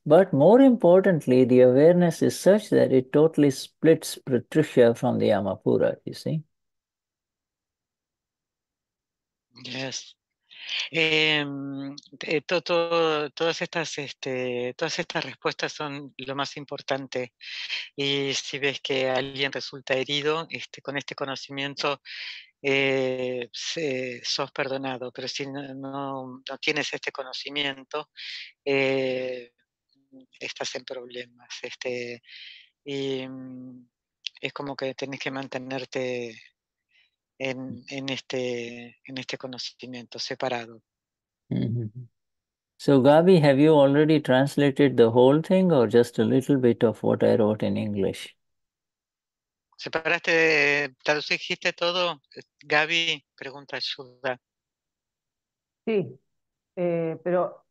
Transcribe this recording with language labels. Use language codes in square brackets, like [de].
[en] But more importantly, the awareness is such that it totally splits Pratrusha from the Amapura, you see? Yes. [es] Todas estas respuestas son lo más importante, y si ves que alguien resulta herido, con este conocimiento sos perdonado, pero si no tienes este conocimiento, estás en problemas, y es como que tenés que mantenerte en este conocimiento separado. [en] So Gabi, have you already translated the whole thing or just a little bit of what I wrote in English? [es] ¿Separaste, traducíste todo? Gabi pregunta ayuda. Sí, pero...